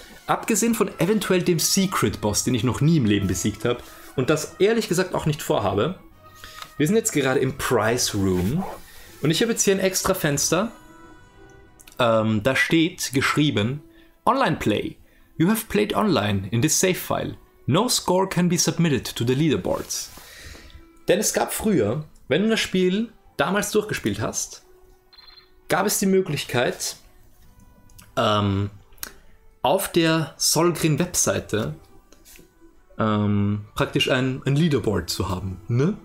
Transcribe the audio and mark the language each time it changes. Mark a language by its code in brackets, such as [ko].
[de] Abgesehen von eventuell dem Secret-Boss, den ich noch nie im Leben besiegt habe und das ehrlich gesagt auch nicht vorhabe. Wir sind jetzt gerade im Price Room und ich habe jetzt hier ein extra Fenster. Da steht geschrieben, Online Play. [en] You have played online in this save file. No score can be submitted to the leaderboards. [de] Denn es gab früher, wenn du das Spiel damals durchgespielt hast, gab es die Möglichkeit, auf der Solgrin-Webseite praktisch ein Leaderboard zu haben. Ne?